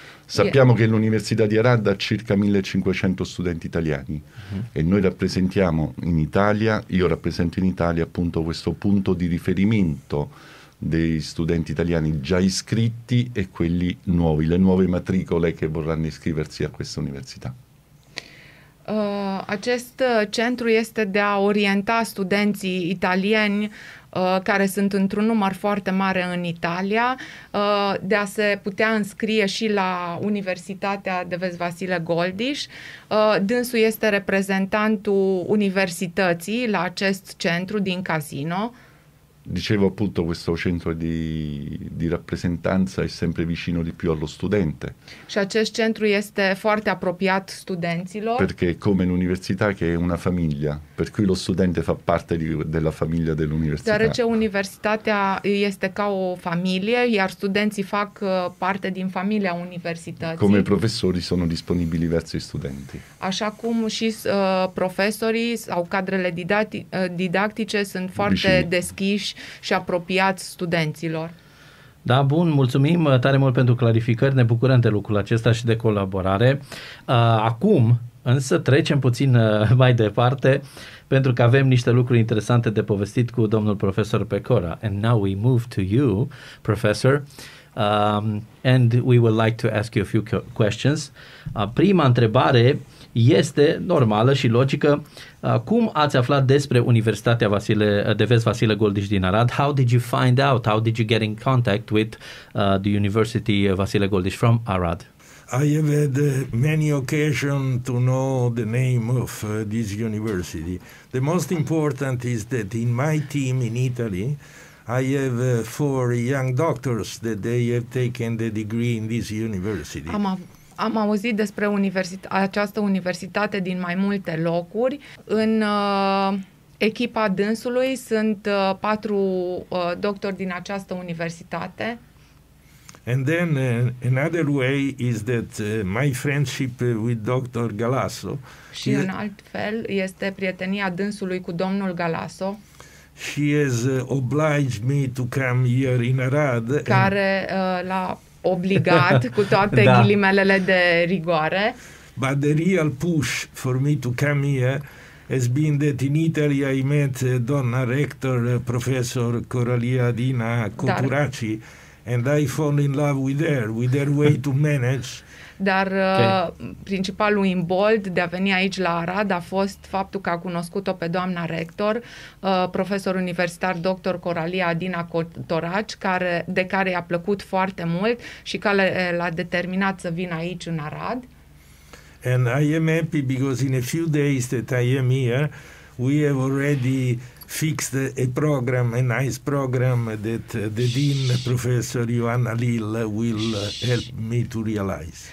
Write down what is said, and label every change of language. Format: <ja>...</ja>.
<it>Sappiamo che l'Università di Arad ha circa 1500 studenti italiani e noi rappresentiamo in Italia, io rappresento in Italia appunto questo punto di riferimento dei studenti italiani già iscritti e quelli nuovi, le nuove matricole che vorranno iscriversi a questa università.</it> <ro>Acest centru este de a orienta studenții italieni care sunt într-un număr foarte mare în Italia, de a se putea înscrie și la Universitatea de Vest Vasile Goldiș. Dânsul este reprezentantul universității la acest centru din Casino.</ro> <it>Dicevo appunto, questo centro di rappresentanza è sempre vicino di più allo studente.</it> <ro>Și acest centru este foarte apropiat studenților.</ro> <it>Perché è come l'università che è una famiglia, per cui lo studente fa parte della famiglia dell'università.</it> <ro>Deoarece universitatea este ca o familie, iar studenții fac parte din familia universității.</ro> <it>Come i professori sono disponibili verso i studenti.</it> <ro>Așa cum și profesorii sau cadrele didactice sunt foarte deschiși și apropiați studenților. Da, bun, mulțumim tare mult pentru clarificări, ne bucurăm de lucrul acesta și de colaborare. Acum, însă, trecem puțin mai departe, pentru că avem niște lucruri interesante de povestit cu domnul profesor Pecora.</ro> <en>And now we move to you, professor, and we would like to ask you a few questions.</en> <ro>Prima întrebare este normală și logică. Cum ați aflat despre Universitatea de Vest Vasile Goldiș din Arad?</ro> <en>How did you find out? How did you get in contact with the University Vasile Goldiș from Arad? I have had many occasions to know the name of this university. The most important is that in my team in Italy, I have four young doctors that they have taken the degree in this university.</en> <ro>Am auzit despre această universitate din mai multe locuri. În echipa dânsului sunt patru doctori din această universitate.</ro> <en>And then another way is that my friendship with Dr. Galasso.</en> <ro>Și în alt fel este prietenia dânsului cu domnul Galasso.</ro> <en>She has obliged me to come here in Arad.</en> <ro>Care l-a obligat cu toate da. Ghilimelele de rigoare.</ro> <en>But the real push for me to come here has been that in Italy I met Donna Rector, Professor Coralia Dina Coturaci, and I fall in love with her way to manage.</en> <ro>Dar principalul imbold de a veni aici la Arad a fost faptul că a cunoscut-o pe doamna rector, profesor universitar Dr. Coralia Adina Cotoraci, de care i-a plăcut foarte mult și care l-a determinat să vină aici în Arad.</ro> <en>And I am happy because in a few days that I am here, we have already fixed a program, a nice program that the dean, Professor Ioana Lil, will help me to realize.</en>